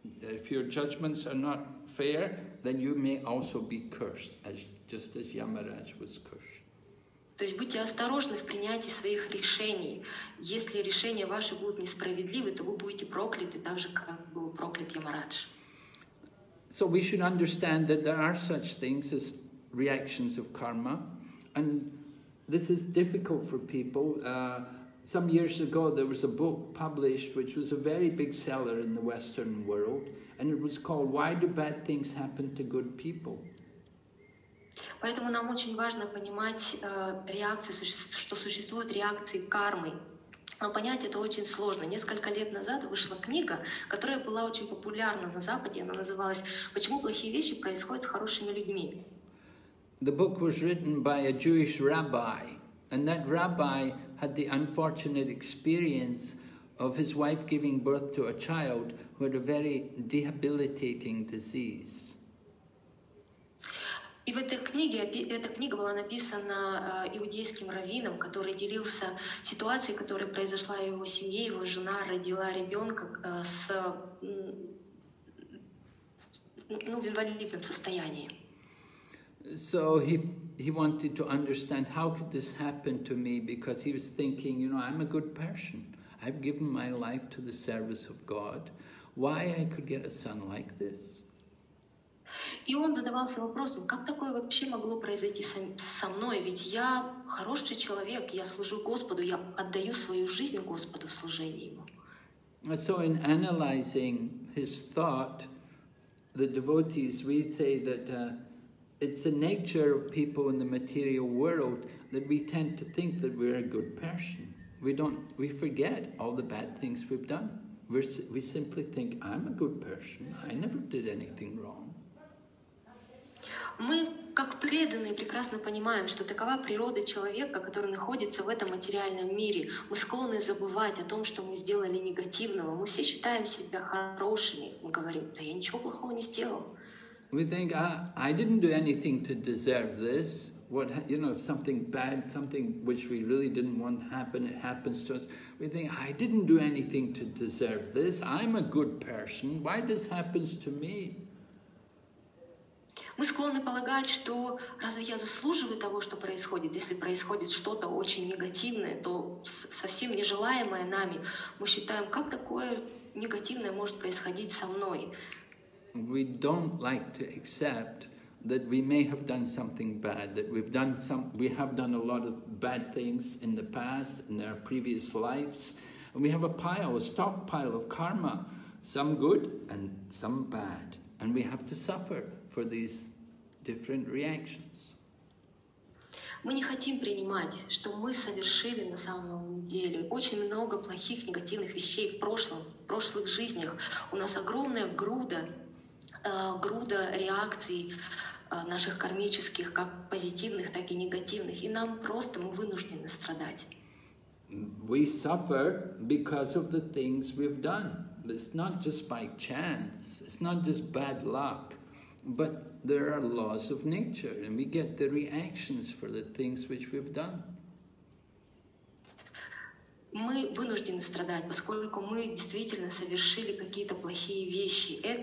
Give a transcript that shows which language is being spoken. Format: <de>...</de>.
<en>If your judgments are not fair, then you may also be cursed, just as Ямарадж was cursed.</en> <ru>То есть будьте осторожны в принятии своих решений. Если решения ваши будут несправедливы, то вы будете прокляты, так же, как был проклят Ямарадж.</ru> <en>So we should understand that there are such things as reactions of karma. And this is difficult for people. Some years ago there was a book published which was a very big seller in the Western world. And it was called Why Do Bad Things Happen to Good People?</en> <ru>Поэтому нам очень важно понимать реакции, что существуют реакции кармы. Но понять это очень сложно. Несколько лет назад вышла книга, которая была очень популярна на Западе. Она называлась «Почему плохие вещи происходят с хорошими людьми».</ru> <en>The book was written by a Jewish rabbi, and that rabbi had the unfortunate experience of his wife giving birth to a child who had a very debilitating disease.</en> <ru>И в этой книге, эта книга была написана иудейским раввином, который делился ситуацией, которая произошла в его семье. Его жена родила ребенка с, ну, в инвалидном состоянии.</ru> <en>So he wanted to understand how could this happen to me, because he was thinking, you know, I'm a good person. I've given my life to the service of God. Why I could get a son like this?</en> <ru>И он задавался вопросом, как такое вообще могло произойти со мной, ведь я хороший человек, я служу Господу, я отдаю свою жизнь Господу в служении Ему.</ru> <en>So in analyzing his thought, the devotees, we say that it's the nature of people in the material world that we tend to think that we're a good person. We forget all the bad things we've done. We simply think, I'm a good person, I never did anything wrong.</en> <ru>Мы, как преданные, прекрасно понимаем, что такова природа человека, который находится в этом материальном мире. Мы склонны забывать о том, что мы сделали негативного. Мы все считаем себя хорошими. Мы говорим, да я ничего плохого не сделал.</ru> <en>We think, I didn't do anything to deserve this. What, you know, if something bad, something which we really didn't want happen, it happens to us. We think, I didn't do anything to deserve this. I'm a good person. Why this happens to me?</en> <ru>Мы склонны полагать, что разве я заслуживаю того, что происходит? Если происходит что-то очень негативное, то совсем нежелаемое нами, мы считаем, как такое негативное может происходить со мной?</ru> <en>We don't like to accept that we may have done something bad, that we have done a lot of bad things in the past, in our previous lives, and we have a pile, a stockpile of karma, some good and some bad, and we have to suffer for these different reactions.</en> <ru>Мы не хотим принимать, что мы совершили на самом деле очень много плохих, негативных вещей в прошлом, в прошлых жизнях. У нас огромная груда реакций наших кармических, как позитивных, так и негативных, и нам просто мы вынуждены страдать.</ru> <en>We suffer because of the things we've done. It's not just by chance, it's not just bad luck. But there are laws of nature, and we get the reactions for the things which we've done.</en> <ru>Мы вынуждены страдать, поскольку мы действительно совершили какие-то плохие вещи.</ru>